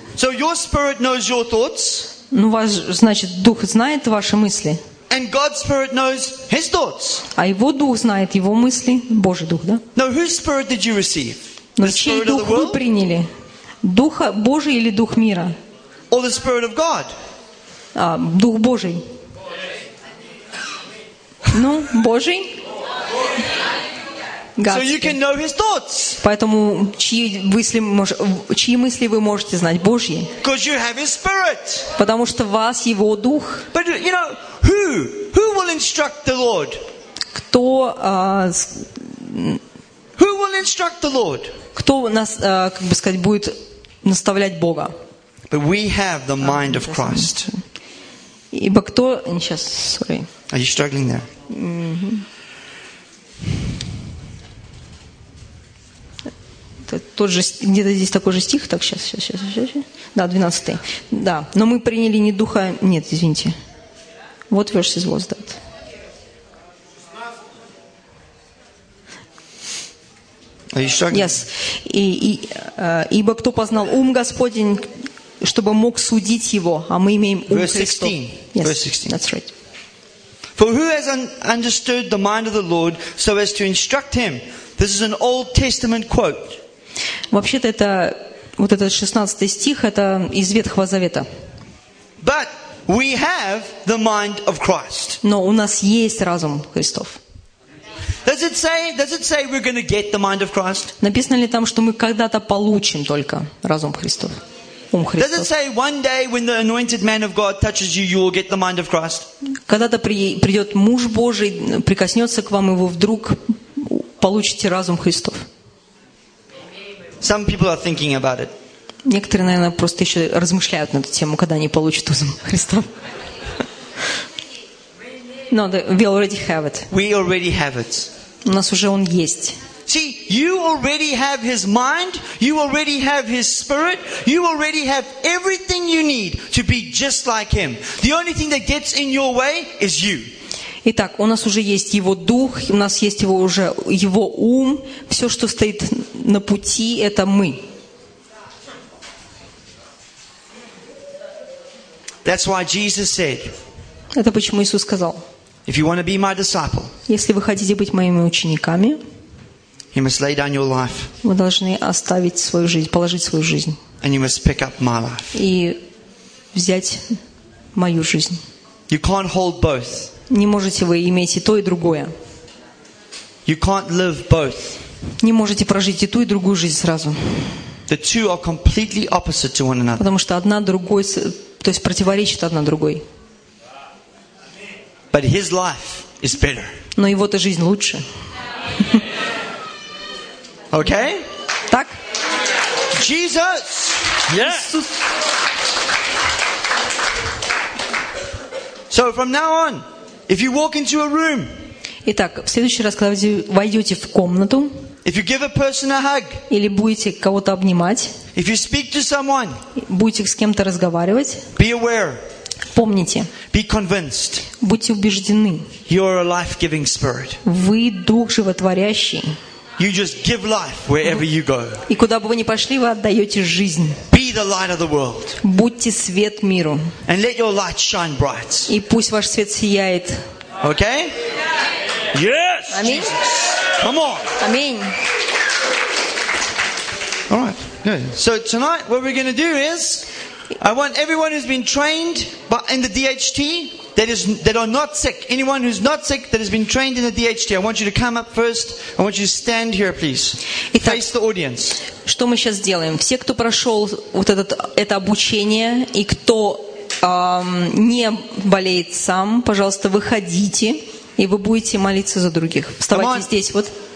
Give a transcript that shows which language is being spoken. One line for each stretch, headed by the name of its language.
English: So your spirit knows your thoughts.
Russian: Ну, ваш, значит, Дух знает ваши мысли.
English: And God's spirit knows His thoughts.
Russian: А его Дух знает его мысли, Божий Дух, да?
English: No, whose spirit did you receive?
Russian: Но чей Дух вы приняли? Духа Божий или Дух мира?
English: Or the spirit of God?
Russian: Дух Божий. Ну, Божий.
English: So you can know His thoughts.
Russian: Поэтому чьи мысли вы можете знать Божьи?
English: Because you have His Spirit.
Russian: Потому что у вас Его Дух.
English: But you know who will instruct the Lord?
Russian: Кто?
English: Who will instruct the Lord?
Russian: Кто нас, как бы сказать, будет наставлять Бога?
English: But we have the mind of Christ.
Russian: Ибо кто? Сейчас, sorry.
English: Are you struggling there?
Russian: Тот же, где-то здесь такой же стих, так, сейчас. Да, 12-й. Да, но мы приняли не духа, нет, извините.
English: What verses was that? Yes.
Russian: Ибо кто познал ум Господень, чтобы мог судить его, а мы имеем ум Христов.
English: Verse 16. verse 16. That's right. For who has understood the mind of the Lord so as to instruct him? This is an Old Testament quote.
Russian: Вообще-то это вот этот 16 стих, это из Ветхого Завета.
English: But we have the mind of Christ.
Russian: Но у нас есть разум Христов.
English: Does it say we're going to get the mind of Christ?
Russian: Написано ли там, что мы когда-то получим только разум Христов? Ум Христов.
English: Does it say one day when the anointed man of God touches you, you will get the mind of Christ?
Russian: Когда-то придет муж Божий, прикоснется к вам, и вы вдруг получите разум Христов.
English: Some people are thinking about it.
Russian: Некоторые, наверное, просто еще размышляют на эту тему, когда они получат разум Христов.
English: No, we already have it. We already have it.
Russian: У нас уже он есть.
English: See, you already have His mind. You already have His Spirit. You already have everything you need to be just like Him. The only thing that gets in your way is you.
Russian: Итак, у нас уже есть Его Дух, у нас есть его уже Его ум. Все, что стоит на пути, это мы.
English: That's why Jesus said,
Russian: это почему Иисус сказал,
English: if you want to be my disciple,
Russian: если вы хотите быть моими учениками,
English: you must lay down your life,
Russian: вы должны оставить свою жизнь, положить свою жизнь,
English: and you must pick up my life.
Russian: И взять мою жизнь.
English: You can't hold both.
Russian: Не можете вы иметь и то, и другое.
English: You can't live both.
Russian: Не можете прожить и ту, и другую жизнь сразу.
English: The two are completely opposite to one another.
Russian: Потому что одна другой, то есть противоречит одна другой.
English: But his life is better.
Russian: Но его-то жизнь лучше.
English: Okay?
Russian: Так?
English: Jesus. Yes. So from now on, if you walk into a room, Итак, в следующий раз, когда вы войдете в комнату, if you give a person a hug, или будете кого-то обнимать, if you speak to someone, будете с кем-то разговаривать, be aware, помните, be convinced, будьте убеждены, you are a life-giving spirit. Вы дух животворящий. You just give life wherever you go. И куда бы вы ни пошли, вы отдаете жизнь. Be the light of the world. Будьте свет миру. And let your light shine bright. И пусть ваш свет сияет. Okay? Yes.
Russian: Аминь.
English: Jesus. Come on.
Russian: Аминь.
English: All right. Good. So tonight, what we're going to do is, I want everyone who's been trained in the DHT. That are not sick. Anyone who's not sick that has been trained in the DHT, I want you to come up first. I want you to stand here, please.
Russian: Итак,
English: face the audience.
Russian: Что мы сейчас делаем? Все, кто прошел вот это обучение и кто не болеет сам, пожалуйста, выходите и вы будете молиться за других. Вставайте здесь, вот.